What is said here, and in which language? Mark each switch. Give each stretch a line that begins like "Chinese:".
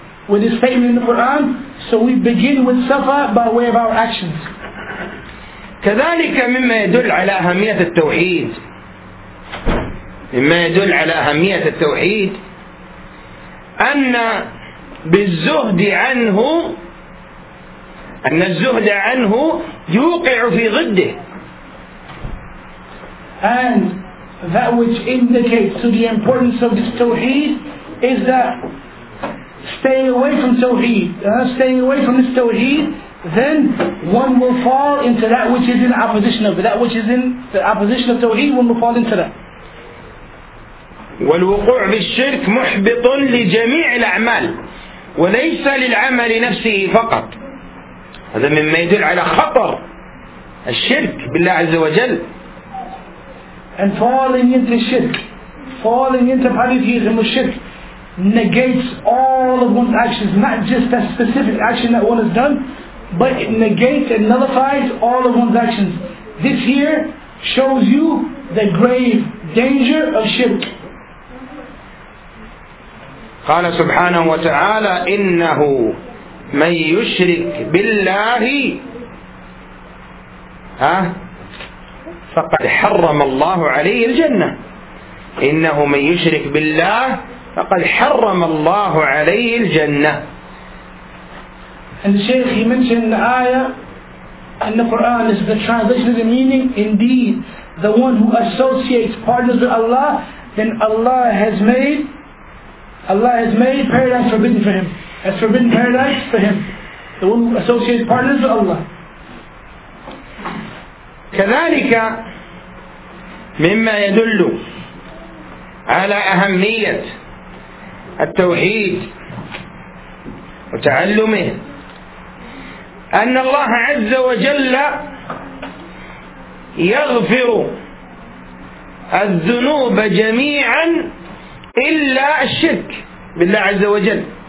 English: with his statement in the Quran. So we begin with Safa by way of our actions.
Arabic: كذلك مما يدل على أهمية التوحيد. مما يدل على أهمية التوحيد أن بالزهد عنه أن الزهد عنه يوقع في ضده.
English: And that which indicates to the importance of this tawheed is that staying away from tawheed, staying away from this tawheed, then one will fall into that which is in opposition of it. That which is in the opposition of tawheed, one will fall into that.
Arabic: والوقوع في الشرك محبط لجميع الأعمال وليس للعمل نفسه فقط. هذا مما يدل على خطر الشرك بالله عز وجل.
English: And falling into shirk, falling into polytheism or shirk, negates all of one's actions, not just that specific action that one has done, but it negates and nullifies all of one's actions. This here shows you the grave danger of shirk.
Arabic: قال سبحانه وتعالى إنه من يشرك بالله فقد حرم الله عليه الجنة إنه من يشرك بالله فقد حرم الله عليه الجنة.
English: And the Shaykh, he mentioned in the ayah and the Quran is the translation of the meaning. Indeed, the one who associates partners with Allah, then Allah has made paradise forbidden for him. That's forbidden paradise for him. The one who associates partners with Allah.
Arabic: كذلك مما يدل على أهمية التوحيد وتعلمه أن الله عز وجل يغفر الذنوب جميعا إلا الشرك بالله عز وجل.